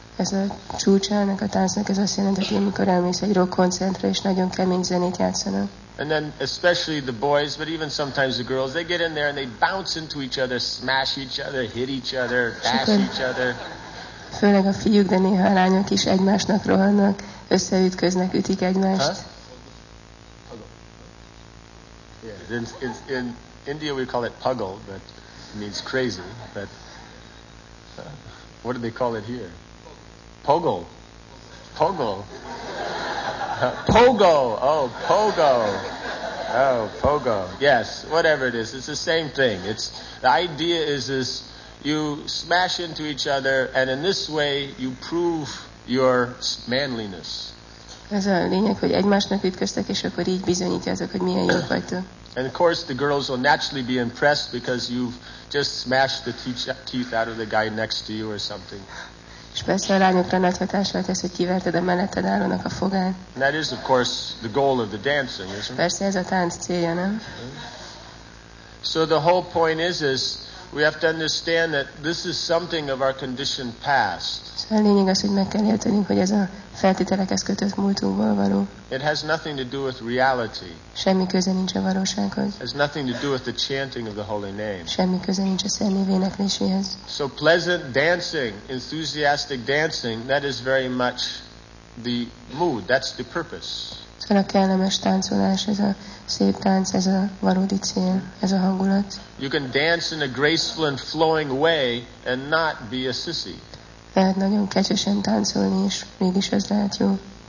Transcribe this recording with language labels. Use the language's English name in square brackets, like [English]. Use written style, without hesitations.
[Hungarian] Ez a csúcsának a táncnak ez azt jelenti, hogy amikor elmész egy rock koncertre, és nagyon kemény zenét játszanak. [English] And then especially the boys, but even sometimes the girls, they get in there and they bounce into each other, smash each other, hit each other, bash each other. [Hungarian] Főleg a fiúk, de néha a lányok is egymásnak rohannak, összeütköznek, ütik egymást. [English] Yeah, in India we call it puggle, but it means crazy. But what do they call it here? Poggle. Poggle. Pogo. Oh, pogo. Oh, pogo. Yes, whatever it is, it's the same thing. It's the idea is this: you smash into each other, and in this way, you prove your manliness. [Hungarian] Ez a lényeg, hogy egymásnak ütköztek, és akkor így bizonyítjátok, hogy milyen jók vagytok. [English] And of course the girls will naturally be impressed because you've just smashed the teeth out of the guy next to you or something. And that is of course the goal of the dancing, isn't it? So the whole point is we have to understand that this is something of our conditioned past. [Hungarian] A lényeg az, hogy meg kell értenünk, hogy ez a feltételekhez kötött múltunkból való. [English] It has nothing to do with reality. [Hungarian] Semmi köze nincs a valósághoz. [English] It has nothing to do with the chanting of the holy name. [Hungarian] Semmi köze nincs a szent énekléséhez. [English] So pleasant dancing, enthusiastic dancing, that is very much the mood, that's the purpose. [Hungarian] Szóval a kellemes táncolás, ez a szép tánc, ez a valódi cél, ez a hangulat. [English] You can dance in a graceful and flowing way and not be a sissy. [Hungarian] Lehet nagyon kecsesen táncolni, és mégis ez lehet jó.